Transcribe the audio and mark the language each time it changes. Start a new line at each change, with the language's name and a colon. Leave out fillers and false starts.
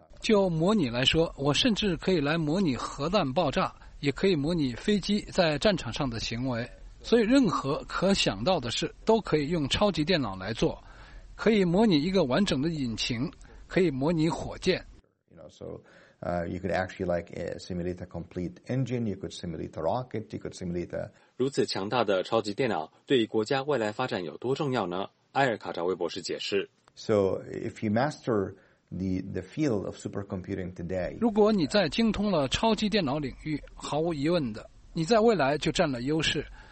Chinese: 就模拟来说，我甚至可以来模拟核弹爆炸，也可以模拟飞机在战场上的行为。所以，任何可想到的事都可以用超级电脑来做，可以模拟一个完整的引擎，可以模拟火箭。
English: You know, so, you could actually like simulate a complete engine. You could simulate a rocket. You could simulate.
Chinese: 如此强大的超级电脑对国家未来发展有多重要呢？埃尔卡扎威博士解释
English: ：So if you master the field of supercomputing today,
Chinese: 如果你在精通了超级电脑领域，毫无疑问的，你在未来就占了优势。